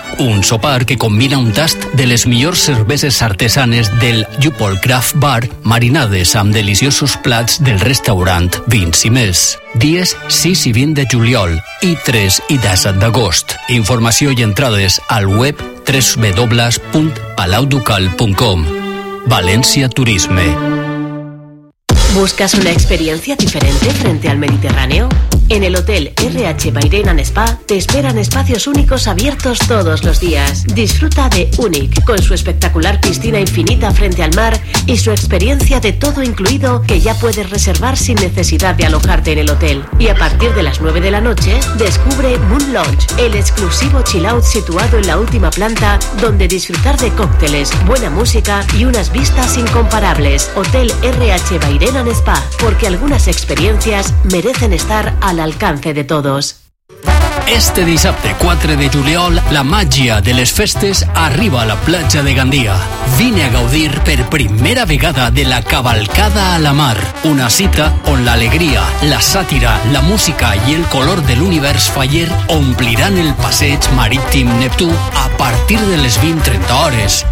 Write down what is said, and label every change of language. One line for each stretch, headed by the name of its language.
Catalan: Un sopar que combina un tast de les millors cerveses artesanes del Jupol Craft Bar, marinades amb deliciosos plats del restaurant Vins i Més. Dies 6 i 20 de juliol i 3 i 17 d'agost. Informació i entrades al web www.palauducal.com. València Turisme.
Spanish: ¿Buscas una experiencia diferente frente al Mediterráneo? En el Hotel RH Bairén & Spa te esperan espacios únicos abiertos todos los días. Disfruta de UNIC con su espectacular piscina infinita frente al mar y su experiencia de todo incluido que ya puedes reservar sin necesidad de alojarte en el hotel. Y a partir de las 9 de la noche, descubre Moon Lounge, el exclusivo chill out situado en la última planta donde disfrutar de cócteles, buena música y unas vistas incomparables. Hotel RH Bairén en Spa, porque algunas experiencias merecen estar al alcance de todos.
Catalan: Este dissabte 4 de juliol, la màgia de les festes arriba a la platja de Gandia. Vine a gaudir per primera vegada de la cavalcada a la mar. Una cita on l'alegria, la sàtira, la música i el color de l'univers faller ompliran el passeig marítim Neptú a partir de les 20-30 hores.